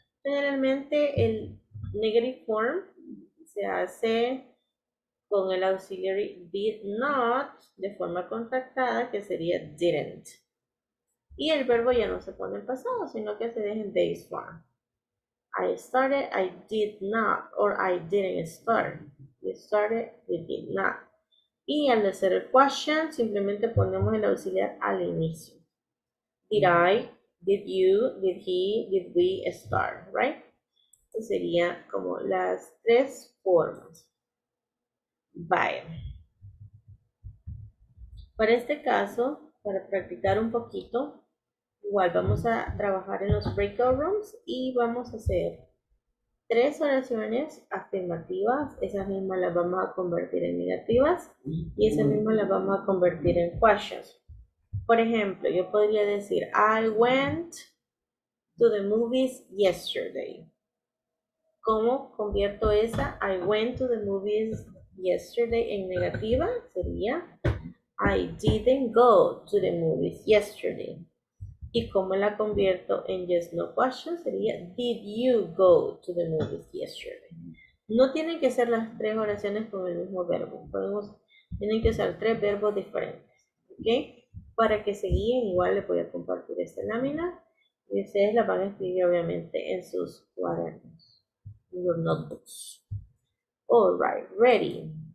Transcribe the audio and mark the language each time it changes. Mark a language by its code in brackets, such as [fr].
[es] Generalmente el negative form se hace con el auxiliary [en] did not [es] de forma contractada, que sería didn't. Y el verbo ya no se pone en pasado, sino que se deja en base form. [en] I started, I did not, or I didn't start. You started, you did not. [es] Y en el set of questions, simplemente ponemos el auxiliar al inicio. [en] Did I, did you, did he, did we start, right? [es] Eso sería como las tres formas. [en] Bye. [es] Para este caso, para practicar un poquito, igual vamos a trabajar en los breakout rooms y vamos a hacer tres oraciones afirmativas. Esas mismas las vamos a convertir en negativas y esas mismas las vamos a convertir en questions. Por ejemplo, yo podría decir, [en] I went to the movies yesterday. [es] ¿Cómo convierto esa? [en] I went to the movies yesterday [es] en negativa. Sería, [en] I didn't go to the movies yesterday. [es] ¿Y cómo la convierto en yes, no question? Sería, [en] did you go to the movies yesterday? [es] No tienen que ser las tres oraciones con el mismo verbo. Podemos, tienen que usar tres verbos diferentes. ¿Ok? Para que se guíen, igual les voy a compartir esta lámina. Y ustedes la van a escribir, obviamente, en sus cuadernos. En [en] your notebooks. All right, ready.